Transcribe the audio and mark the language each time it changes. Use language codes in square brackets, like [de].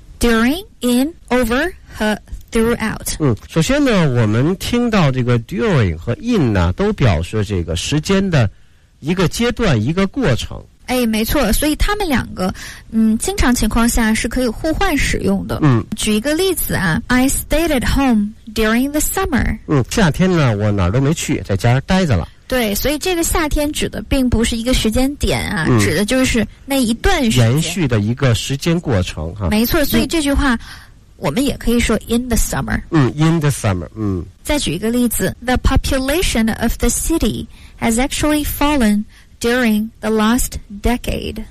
[en] during, in, over 和 throughout。 [zh] 嗯，首先呢我们听到这个 during 和 in 呢都表示这个时间的一个阶段一个过程，哎，没错，所以他们两个经常情况下是可以互换使用的。嗯，举一个例子啊 [en] I stayed at home during the summer。 [zh] 嗯，夏天呢我哪儿都没去，在家待着了。对，所以这个夏天指的并不是一个时间点啊，指的就是那一段时间延续的一个时间过程哈。没错，所以这句话我们也可以说 [en] in the summer。 in the summer。 [zh] 再举一个例子 [en] the population of the city has actually fallen during the last decade。